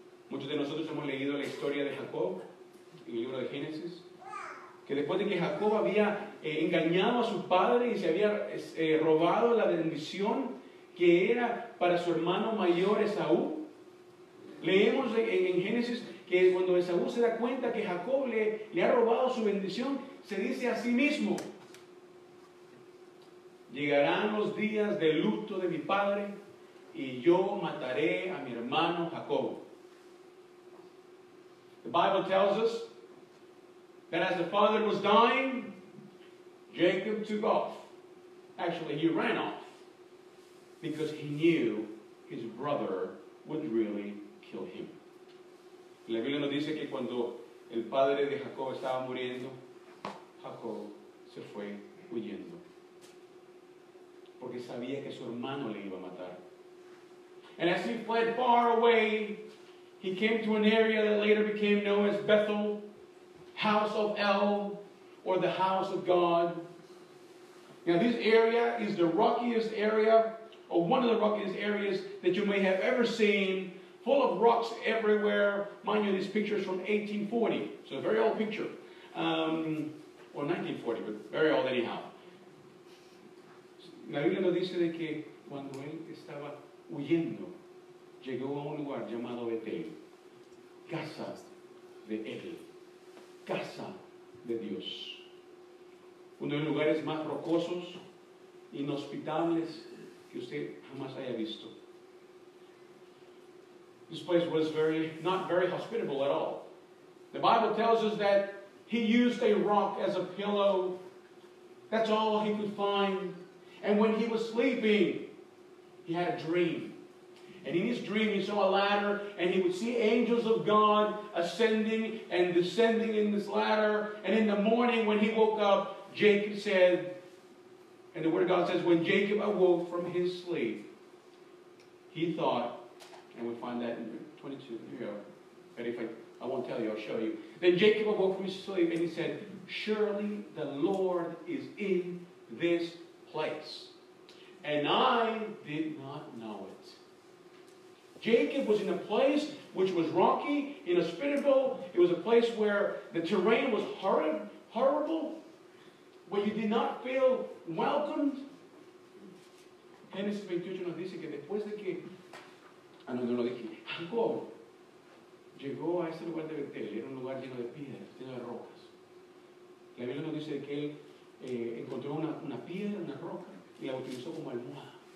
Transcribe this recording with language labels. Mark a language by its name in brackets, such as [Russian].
[Spanish] Muchos de nosotros hemos leído la historia de Jacob en el libro de Génesis, que después de que Jacob había engañado a su padre y se había robado la bendición que era para su hermano mayor Esaú, leemos en Génesis que cuando Esaú se da cuenta que Jacob le ha robado su bendición, se dice a sí mismo: llegarán los días de luto de mi padre y yo mataré a mi hermano Jacob. [English] The Bible tells us that as the father was dying, Jacob took off. Actually, he ran off because he knew his brother would really kill him. [Spanish] La Biblia nos dice que cuando el padre de Jacob estaba muriendo, Jacob se fue huyendo, porque sabía que su hermano le iba a matar. [English] And as he fled far away, he came to an area that later became known as Bethel, house of El, or the house of God. Now this area is the rockiest area, or one of the rockiest areas that you may have ever seen, full of rocks everywhere. Mind you, this picture is from 1840, so a very old picture. Or 1940, but very old anyhow. [Spanish] La Biblia nos dice de que cuando él estaba huyendo, llegó a un lugar llamado Betel, casa de él, casa de Dios. Uno de los lugares más rocosos, inhospitables, que usted jamás haya visto. [English] This place was not very hospitable at all. The Bible tells us that he used a rock as a pillow. That's all he could find. And when he was sleeping, he had a dream. And in his dream, he saw a ladder, and he would see angels of God ascending and descending in this ladder. And in the morning when he woke up, Jacob said, and the Word of God says, when Jacob awoke from his sleep, he thought, and we find that in 22, here we go. But if I won't tell you, I'll show you. Then Jacob awoke from his sleep, and he said, surely the Lord is in this place, and I did not know it. Jacob was in a place which was rocky, inhospitable. It was a place where the terrain was horrible, where you did not feel welcomed. [Spanish] Génesis 28 nos dice que después de que Jacob llegó a ese lugar de Betel, era un lugar lleno de piedras, lleno de rocas. La Biblia nos dice que él encontró una piedra, una roca, y la utilizó como almohada.